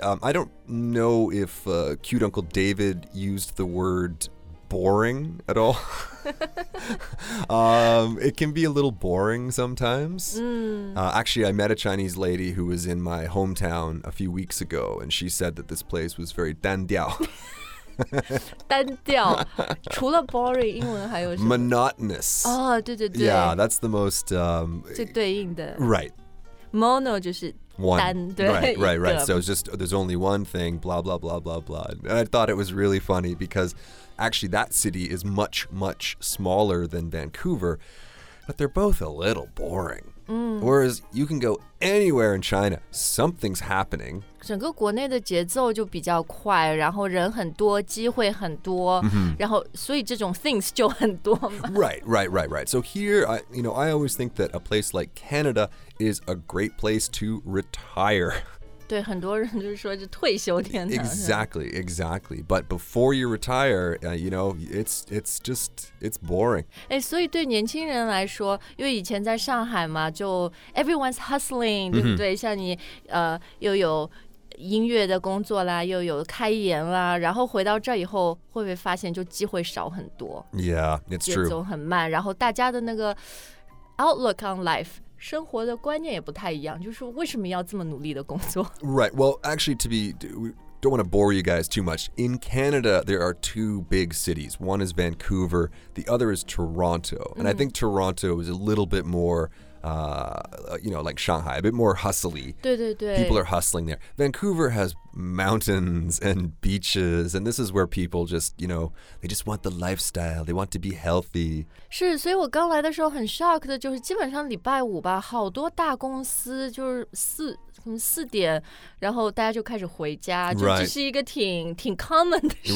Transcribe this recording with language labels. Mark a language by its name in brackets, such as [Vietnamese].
[English] I don't know if cute Uncle David used the word boring at all. it can be a little boring sometimes. Actually, I met a Chinese lady who was in my hometown a few weeks ago, and she said that this place was very 单调. [Chinese] 单调，除了 boring, 英文还有什么？ [English] Monotonous. [Chinese] Oh, 对对对。 [English] Yeah, that's the most... [Chinese] 最对应的。 [English] Right. [Chinese] Mono 就是 [English] One. [Chinese] 单对 [English] right. So it's just, there's only one thing, blah, blah, blah, blah, blah. And I thought it was really funny because... Actually, that city is much, much smaller than Vancouver, but they're both a little boring. Mm. Whereas you can go anywhere in China, something's happening. [Chinese] 整个国内的节奏就比较快，然后人很多，机会很多，然后所以这种 things 就很多嘛。 [English] Right. So here, I always think that a place like Canada is a great place to retire. [Chinese] 对，很多人就是说是退休天堂。 [English] Exactly. But before you retire, you know, it's boring. [Chinese] 哎，所以对年轻人来说，因为以前在上海嘛，就 [English] everyone's hustling, [Chinese] 对不对？像你，又有音乐的工作啦，又有开演啦，然后回到这以后，会不会发现就机会少很多 [English] ？Yeah, it's true. [Chinese] 节奏很慢，然后大家的那个 [English] outlook on life. [Chinese] 生活的观念也不太一样，就是为什么要这么努力的工作 [English] ？Right. Well, actually, we don't want to bore you guys too much. In Canada, there are two big cities. One is Vancouver, the other is Toronto. And I think Toronto is a little bit more, like Shanghai, a bit more hustly. [Chinese] 对对对。 [English] People are hustling there. Vancouver has mountains and beaches, and this is where people just, you know, they just want the lifestyle. They want to be healthy. [Chinese] 是，所以我刚来的时候很 shock 的就是基本上礼拜五吧，好多大公司就是四点，然后大家就开始回家，就这是一个挺 common 的事情。